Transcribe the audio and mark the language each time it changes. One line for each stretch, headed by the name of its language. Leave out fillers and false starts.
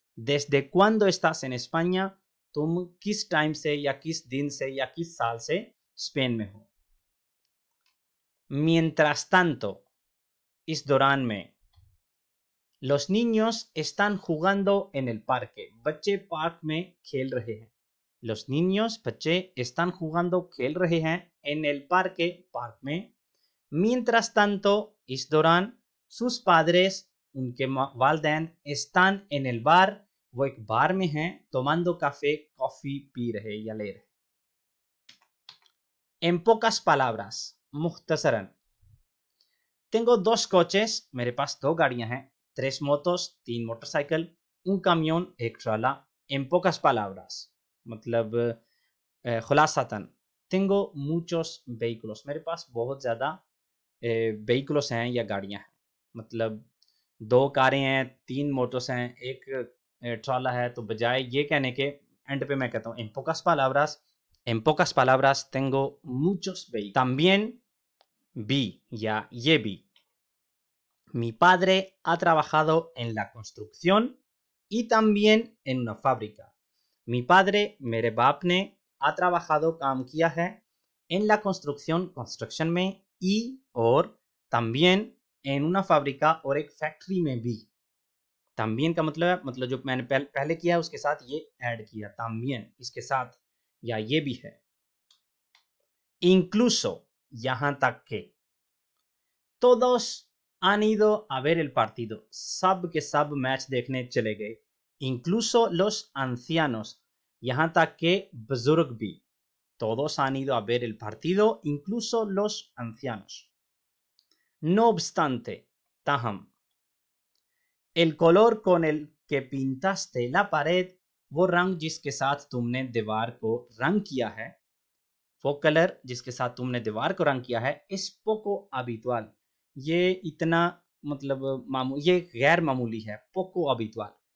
Spanish: देस्दे क्वांडो एस्टास एन एस्पाना,
Hindi: तुम किस time से या किस दिन से या किस साल से स्पेन में हो।
Spanish: मिएंट्रास तांतो
Hindi: इस दौरान में,
Spanish: Los niños están jugando en el parque,
Hindi: बच्चे पार्क में खेल रहे हैं।
Spanish: Los niños
Hindi: बच्चे
Spanish: están jugando
Hindi: खेल रहे हैं,
Spanish: en el parque
Hindi: पार्क में।
Spanish: Mientras tanto
Hindi: इस दौरान,
Spanish: sus padres
Hindi: उनके वालदैन
Spanish: están en el bar,
Hindi: वो एक बार में हैं,
Spanish: tomando café
Hindi: कॉफी पी रहे या ले रहे।
Spanish: En pocas palabras
Hindi: मुख्तसरन,
Spanish: tengo dos coches
Hindi: मेरे पास दो गाड़ियां हैं।
Spanish: Tres motos,
Hindi: तीन मोटरसाइकिल,
Spanish: un camión,
Hindi: एक ट्राला।
Spanish: En pocas palabras,
Hindi: मतलब खुलासतन,
Spanish: tengo muchos vehículos,
Hindi: मेरे पास बहुत ज्यादा vehículos हैं या गाड़ियां हैं, मतलब दो कारें हैं, तीन मोटर्स हैं, एक ट्राला है। तो बजाय ये कहने के एंड पे मैं कहता हूँ
Spanish: en pocas palabras tengo muchos vehículos। También
Hindi: भी या ये भी,
Spanish: Mi padre ha trabajado en la construcción y también en una fábrica. Mi padre,
Hindi: मेरे बाप ने,
Spanish: ha trabajado,
Hindi: काम किया है,
Spanish: en la construcción,
Hindi: construction में, y और
Spanish: también en una fábrica,
Hindi: और एक फैक्ट्री में भी। También का मतलब है, मतलब जो मैंने पहले किया है उसके साथ ये ऐड किया, también इसके साथ या ये भी है।
Spanish: Incluso
Hindi: यहां तक के,
Spanish: todos han ido a ver el partido,
Hindi: सब के सब मैच देखने चले गए।
Spanish: Incluso los ancianos,
Hindi: यहाँ तक के बुजुर्ग भी।
Spanish: Todos han ido a ver el partido, incluso los ancianos. No obstante,
Hindi: ताहम,
Spanish: el color con el que pintaste la pared,
Hindi: वो रंग जिसके साथ तुमने दीवार को रंग किया है, वो कलर जिसके साथ तुमने दीवार को रंग किया है,
Spanish: इस पोको अबितुअल,
Hindi: ये इतना, मतलब ये गैर मामूली है,
Spanish: पोको अबितुअल।